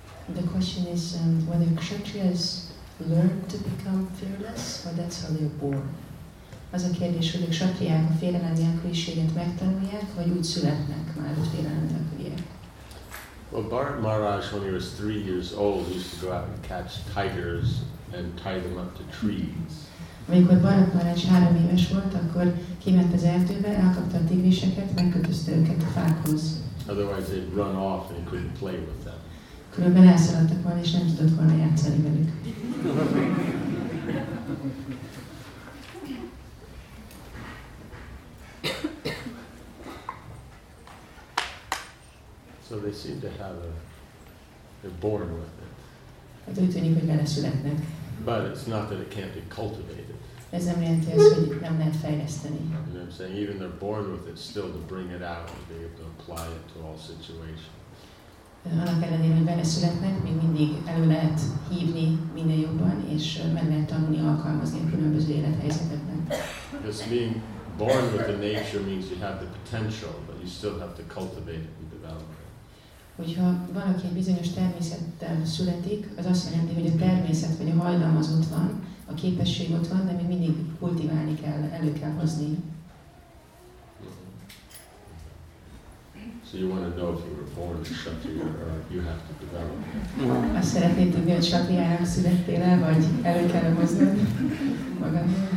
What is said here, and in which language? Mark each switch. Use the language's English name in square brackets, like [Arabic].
[English] The question is whether Kshatriyas learn to become fearless, or that's how they're born. [Hungarian] Az a kérdés, hogy a Kshatriyák a félelem nélküliséget megtanulják, vagy úgy születnek már a félelem nélküliek. [English] Well, Bharat Maharaj, when he was 3 years old, he used to go out and catch tigers and tie them up to trees. [Hungarian] Amikor Bharat Maharaj 3 éves volt, akkor kiment az erdőbe, elkapta a tigriseket, megkötözte őket a fákhoz. [English] Otherwise they'd run off and he couldn't play with them. [Hungarian] Különben elszaladtak volna, és nem tudott volna játszani velük. [English] So they seem to have they're born with it. [Hungarian] Hát úgy tűnik, hogy vele születnek. [English] But it's not that it can't be cultivated. [Hungarian] Ez nem jelenti azt, hogy nem lehet fejleszteni. [English] You know what I'm saying? Even they're born with it, still to bring it out, to be able to apply it to all situations. [Hungarian] Annak ellenére, hogy benne születnek, még mindig elő lehet hívni minél jobban, és meg lehet tanulni alkalmazni a különböző élethelyzetekben. [English] Just being born with the nature means you have the potential, but you still have to cultivate it and develop it. [Hungarian] Hogyha valaki egy bizonyos természettel születik, az azt jelenti, hogy a természet vagy a hajlam az ott van, a képesség ott van, de még mindig kultiválni kell, elő kell hozni. [English] So you want to know if you were born a Kshatriya or you have to develop. [Hungarian] Azt szeretnéd tudni, hogy Kshatriyának születtél el, vagy elő kell hoznod magad.